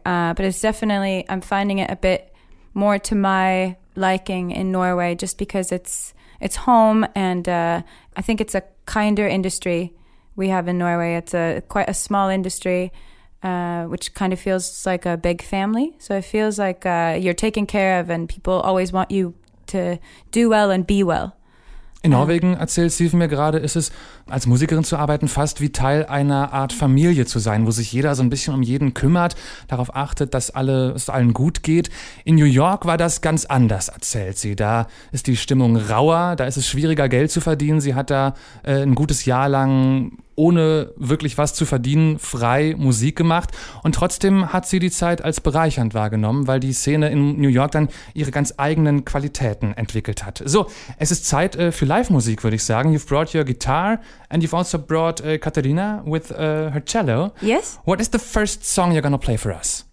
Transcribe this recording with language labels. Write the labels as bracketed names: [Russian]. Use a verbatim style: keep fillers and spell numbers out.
[English] Uh, but it's definitely, I'm finding it a bit more to my liking in Norway, just because it's it's home, and uh, I think it's a kinder industry we have in Norway. It's a quite a small industry, uh, which kind of feels like a big family. So it feels like uh, you're taken care of, and people always want you to do well and be well. [German] In Norwegen, erzählt Sif mir gerade, ist es, als Musikerin zu arbeiten, fast wie Teil einer Art Familie zu sein, wo sich jeder so ein bisschen um jeden kümmert, darauf achtet, dass alle, es allen gut geht. In New York war das ganz anders, erzählt sie. Da ist die Stimmung rauer, da ist es schwieriger, Geld zu verdienen. Sie hat da äh, ein gutes Jahr lang ohne wirklich was zu verdienen, frei Musik gemacht. Und trotzdem hat sie die Zeit als bereichernd wahrgenommen, weil die Szene in New York dann ihre ganz eigenen Qualitäten entwickelt hat. So, es ist Zeit äh, für Live-Musik, würde ich sagen. [English] You've brought your guitar and you've also brought uh, Katerina with uh, her cello. Yes. What is the first song you're gonna play for us?